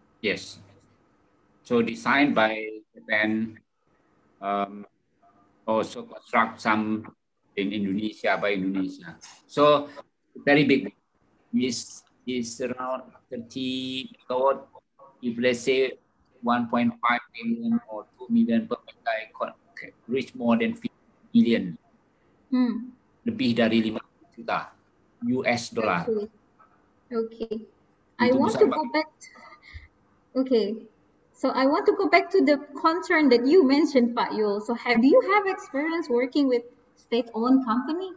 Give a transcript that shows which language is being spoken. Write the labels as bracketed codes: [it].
[en] Yes. So designed by Japan, also construct some in Indonesia by Indonesia. So very big. Is around 30 megawatt. If let's say 1.5 million or 2 million per megawatt, could reach more than 50 million. [id] Lebih dari 50 juta US dollar. [en] Okay. I want to go back to the concern that you mentioned, Pak Yul. So do you have experience working with state-owned company?